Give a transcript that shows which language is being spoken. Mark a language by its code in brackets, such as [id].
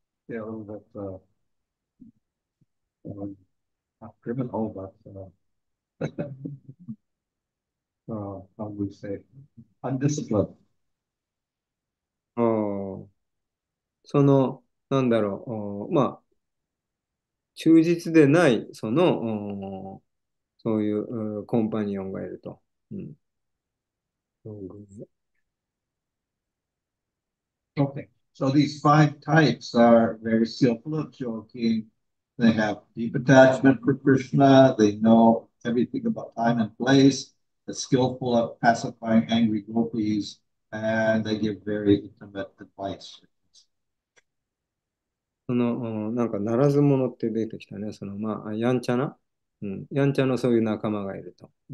[en] Yeah, a little bit not criminal, but how would we say undisciplined. [ja] その、なんだろう、まあ、忠実でない、その、そういうコンパニオンがいると。 [en] Okay. So these five types are very skillful at joking. They have deep attachment for Krishna. They know everything about time and place. They're skillful at pacifying angry gopis, and they give very intimate advice. [ja] その、なんか、ならず者って出てきたね。その、まあ、やんちゃな。やんちゃなそういう仲間がいると。